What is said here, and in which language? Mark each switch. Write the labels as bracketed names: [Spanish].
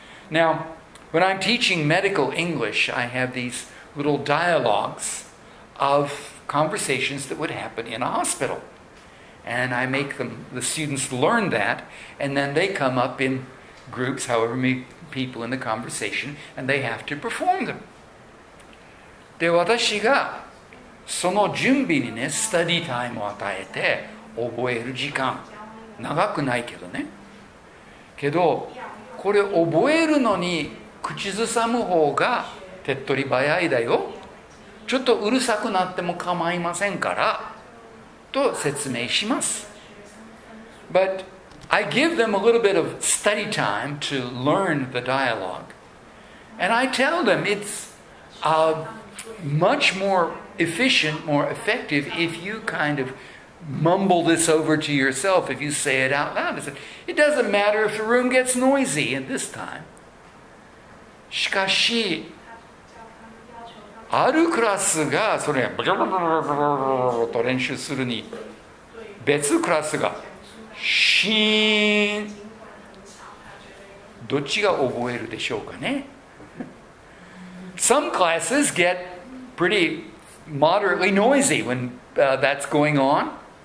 [English] Now, when I'm teaching medical English, I have these little dialogues of conversations that would happen in a hospital. And I make them, the students learn that, and then they come up in groups, however many people in the conversation, and they have to perform them. [Japanese] で、私がその準備にね、スタディタイムを与えて覚える時間、長くないけどね、けどこれ覚えるのに口ずさむ方が手っ取り早いだよ、ちょっとうるさくなっても構いませんからと説明します。 [English] But I give them a little bit of study time to learn the dialogue, and I tell them it's much moreefficient, more effective if you kind of mumble this over to yourself, if you say it out loud. It doesn't matter if the room gets noisy at this time. [Japanese] しかし、あるクラスがそれブルブルブルブルブルと練習するに、別クラスがシーン、どっちが覚えるでしょうかね。 [English] Some classes get pretty moderately noisy when that's going on.